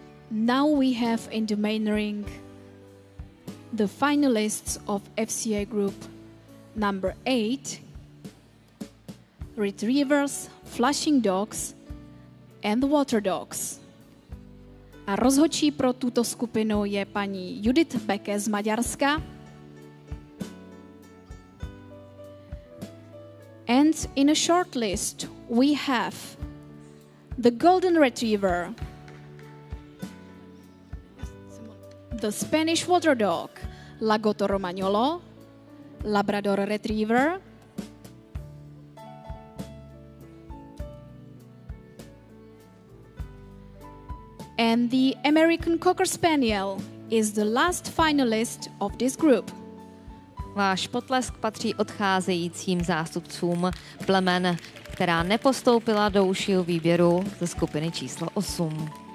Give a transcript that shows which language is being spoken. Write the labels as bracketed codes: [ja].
[en] Now we have in the main ring the finalists of FCA group number 8, Retrievers, Flushing Dogs and Water Dogs. [cs] A rozhodčí pro tuto skupinu je paní Judith Becke z Maďarska. [en] And in a short list we have the Golden Retriever, the Spanish Water Dog, Lagotto Romagnolo, Labrador Retriever, and the American Cocker Spaniel is the last finalist of this group. [cs] Váš potlesk patří odcházejícím zástupcům plemen, která nepostoupila do užšího výběru ze skupiny číslo 8.